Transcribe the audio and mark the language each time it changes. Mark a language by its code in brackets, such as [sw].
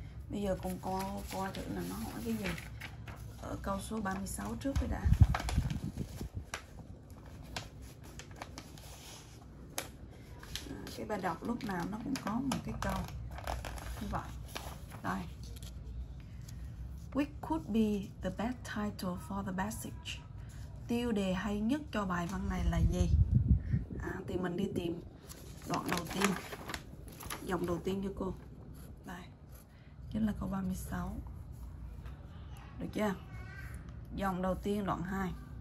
[vi] Bây giờ cùng coi thử là nó hỏi cái gì ở câu số 36 trước đây đã. Cái bài đọc lúc nào nó cũng có một cái câu như vậy. Đây. [en] Which could be the best title for the passage? [vi] Tiêu đề hay nhất cho bài văn này là gì? Thì mình đi tìm đoạn đầu tiên, dòng đầu tiên cho cô. Đây, chính là câu 36. Được chưa? Dòng đầu tiên đoạn 2.